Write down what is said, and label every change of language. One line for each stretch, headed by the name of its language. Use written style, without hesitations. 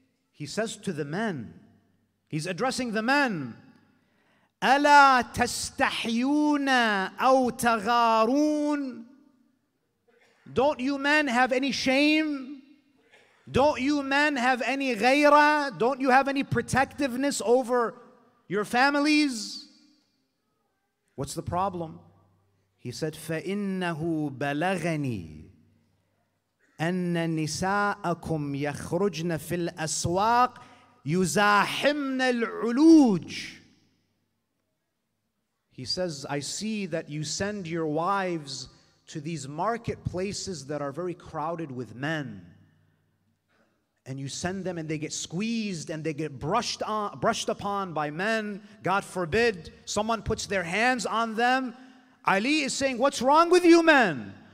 English: He says to the men, he's addressing the men,
Arabic: أَلَا تَسْتَحْيُونَ أَوْ تَغَارُونَ.
English: Don't you men have any shame? Don't you men have any ghayra? Don't you have any protectiveness over your families? What's the problem? He said,
Arabic: فَإِنَّهُ بَلَغَنِي أَنَّ نِسَاءَكُمْ يَخْرُجْنَ فِي الْأَسْوَاقِ يُزَاحِمْنَ الْعُلُوجِ.
English: He says, I see that you send your wives to these marketplaces that are very crowded with men. And you send them and they get squeezed and they get brushed upon by men. God forbid, someone puts their hands on them. Ali is saying, what's wrong with you men?